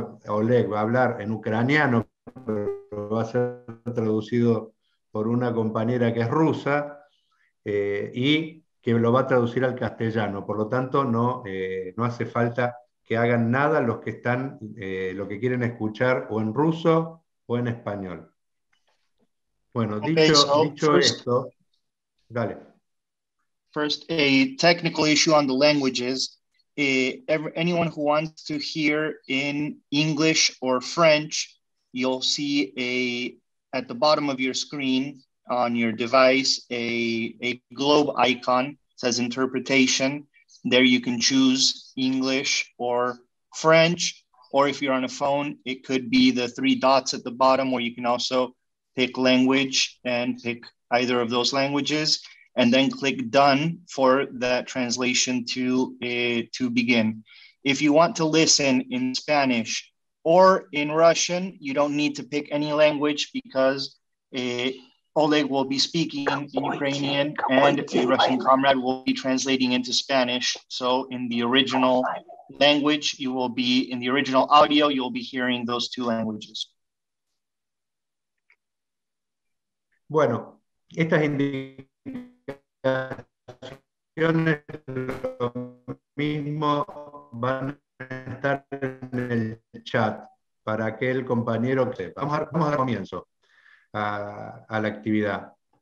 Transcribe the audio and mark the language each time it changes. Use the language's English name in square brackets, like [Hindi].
[Spanish] Oleg va a hablar en ucraniano, va a ser traducido por una compañera que es rusa y que lo va a traducir al castellano. Por lo tanto, no hace falta que hagan nada los que están, lo que quieren escuchar o en ruso o en español. Bueno, dicho esto, dale. [English] First, a technical issue on the languages. Anyone who wants to hear in English or French, you'll see at the bottom of your screen on your device, a globe icon says interpretation. There you can choose English or French, or if you're on a phone, it could be the three dots at the bottom where you can also pick language and pick either of those languages, and then click done for that translation to begin. If you want to listen in Spanish, or in Russian, you don't need to pick any language because Oleg will be speaking in Ukrainian and a Russian comrade will be translating into Spanish. So in the original language, you will be in the original audio, you'll be hearing those two languages. [Spanish] Bueno, estas indicaciones lo mismo van a estar en el chat. Para que el compañero sepa. Vamos a dar comienzo a la actividad.